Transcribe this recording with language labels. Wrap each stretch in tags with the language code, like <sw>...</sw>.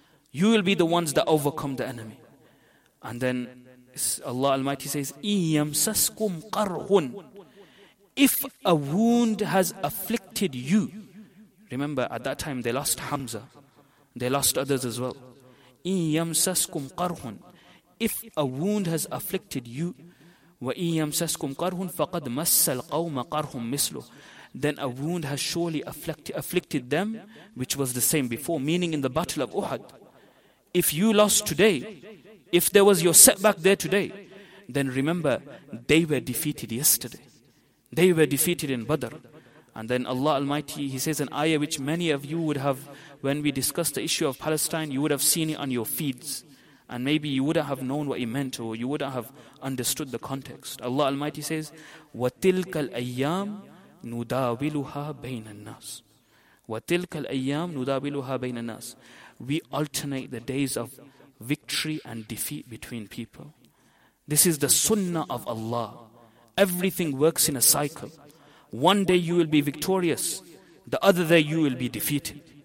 <en>You will be the ones that overcome the enemy. And then Allah Almighty says,</en> <ar>إِن يَمْسَسْكُمْ قَرْهٌ.</ar> <en>If a wound has afflicted you, remember at that time they lost Hamza, they lost others as well.</en> <ar>إِن يَمْسَسْكُمْ قَرْهٌ.</ar> <en>If a wound has afflicted you,</en> <ar>وَإِن يَمْسَسْكُمْ قَرْهٌ فَقَدْ مَسَّ الْقَوْمَ قَرْهٌ مِثْلُهُ.</ar> <en>Then a wound has surely afflicted them, which was the same before, meaning in the battle of Uhud. If you lost today, if there was your setback there today, then remember, they were defeated yesterday. They were defeated in Badr. And then Allah Almighty, he says an ayah which many of you would have, when we discussed the issue of Palestine, you would have seen it on your feeds. And maybe you wouldn't have known what he meant, or you wouldn't have understood the context. Allah Almighty says,</en> <ar>وَتِلْكَ الْأَيَّامُ نُدَاوِلُهَا بَيْنَ النَّاسِ. وَتِلْكَ الْأَيَّامُ نُدَاوِلُهَا بَيْنَ النَّاسِ.</ar> <en>We alternate the days of victory and defeat between people. This is the sunnah of Allah. Everything works in a cycle. One day you will be victorious, the other day you will be defeated.</en>